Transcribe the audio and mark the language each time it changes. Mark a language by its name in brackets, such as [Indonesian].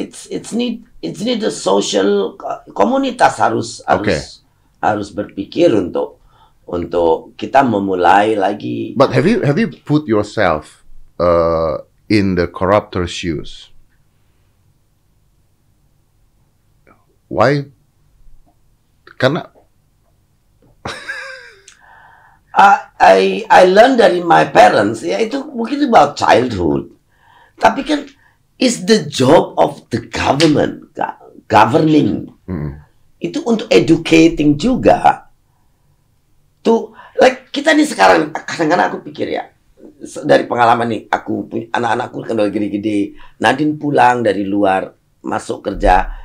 [English] it's need a social [Indonesian] komunitas harus berpikir untuk kita memulai lagi. [English] But have you put yourself in the corruptor's shoes? Why? [Indonesian] Karena [English] I learn [Indonesian] dari [English] my parents, [Indonesian] ya itu mungkin itu [English] about childhood. [Indonesian] Tapi kan [English] is the job of the government governing. Hmm. [Indonesian] Itu untuk educating juga. [English] To like [Indonesian] kita nih sekarang kadang-kadang aku pikir ya. Dari pengalaman nih, aku punya anak-anakku kan udah gede-gede. Nadine pulang dari luar, masuk kerja.